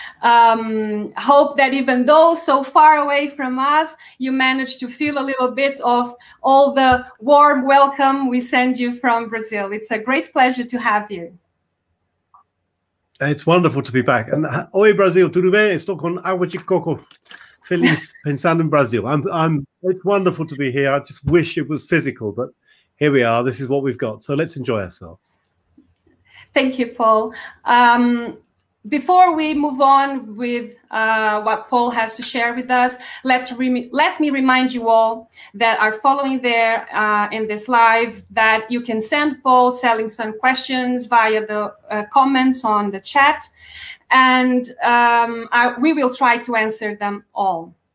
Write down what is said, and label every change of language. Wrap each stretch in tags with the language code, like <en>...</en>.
<en>Hope that even though so far away from us, you managed to feel a little bit of all the warm welcome we send you from Brazil. It's a great pleasure to have you. It's wonderful to be back.</en> <pt>And oi, Brasil, tudo bem? Estou com água de coco. Feliz pensando em Brasil.</pt> <en>It's wonderful to be here. I just wish it was physical, but here we are. This is what we've got. So let's enjoy ourselves. Thank you, Paul. Before we move on with what Paul has to share with us, let me remind you all that are following there in this live that you can send Paul Seligson questions via the comments on the chat, and we will try to answer them all.</en>